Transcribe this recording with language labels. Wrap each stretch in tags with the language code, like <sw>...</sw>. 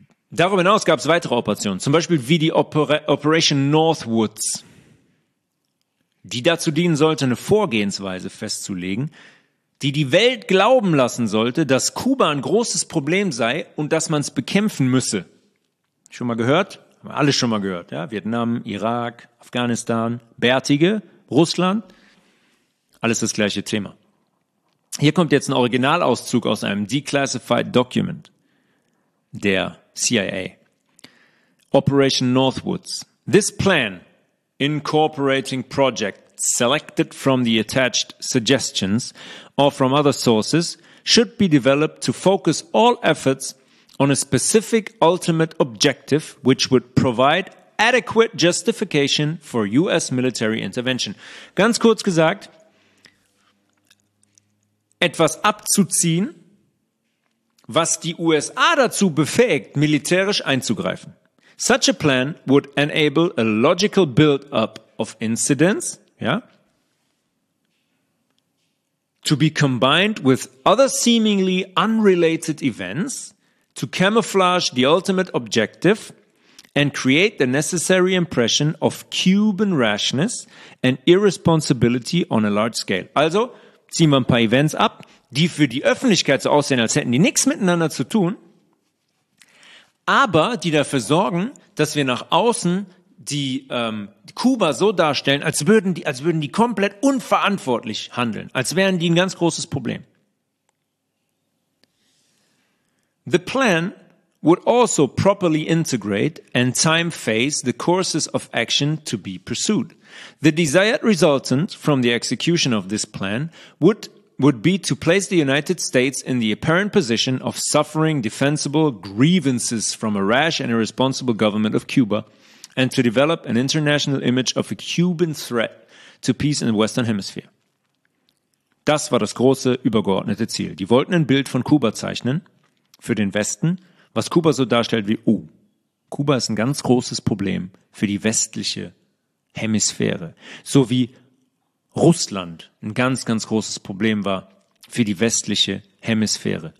<de>Darüber hinaus gab es weitere Operationen. Zum Beispiel wie die Operation Northwoods, die dazu dienen sollte, eine Vorgehensweise festzulegen, die die Welt glauben lassen sollte, dass Kuba ein großes Problem sei und dass man es bekämpfen müsse. Schon mal gehört? Haben wir alle schon mal gehört. Ja? Vietnam, Irak, Afghanistan, Bärtige, Russland. Alles das gleiche Thema. Hier kommt jetzt ein Originalauszug aus einem Declassified Document der CIA.</de> <en>Operation Northwoods. This plan, incorporating Project selected from the attached suggestions or from other sources should be developed to focus all efforts on a specific ultimate objective which would provide adequate justification for US military intervention.</en> <de>Ganz kurz gesagt, etwas abzuziehen, was die USA dazu befähigt, militärisch einzugreifen.</de> <en>Such a plan would enable a logical build-up of incidents, yeah, to be combined with other seemingly unrelated events to camouflage the ultimate objective and create the necessary impression of Cuban rashness and irresponsibility on a large scale.</en> <de>Also ziehen wir ein paar Events ab, die für die Öffentlichkeit so aussehen, als hätten die nichts miteinander zu tun, aber die dafür sorgen, dass wir nach außen die Kuba so darstellen, als würden die komplett unverantwortlich handeln, als wären die ein ganz großes Problem.</de> <en>The plan would also properly integrate and time phase the courses of action to be pursued. The desired resultant from the execution of this plan would be to place the United States in the apparent position of suffering defensible grievances from a rash and irresponsible government of Cuba and to develop an international image of a Cuban threat to peace in the Western Hemisphere.</en> <de>Das war das große, übergeordnete Ziel. Die wollten ein Bild von Kuba zeichnen für den Westen, was Kuba so darstellt wie, oh, Kuba ist ein ganz großes Problem für die westliche Hemisphäre. So wie Russland ein ganz, ganz großes Problem war für die westliche Hemisphäre.</de>